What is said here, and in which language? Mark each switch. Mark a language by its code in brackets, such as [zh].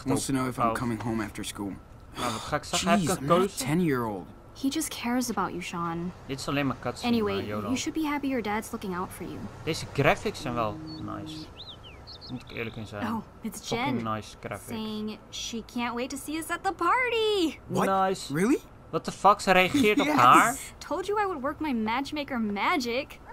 [en] op. Wants to know if I'm coming home after school. [nl] Nou, wat ga ik zeggen? [en] Jeez, I'm not a 10-year-old. He just cares about you, Sean. [nl] Dit is alleen maar cutscene. [en] Anyway, YOLO. You should be happy your dad's looking out for you. [nl] Deze graphics zijn wel nice. Moet ik eerlijk in zijn. [en] Oh, it's fucking Jen. Nice graphics. Saying she can't wait to see us at the party. What? Nice. Really? What the fuck? [nl] Ze reageert [en] yes. [nl] op haar? [en] Told you I would work my matchmaker magic.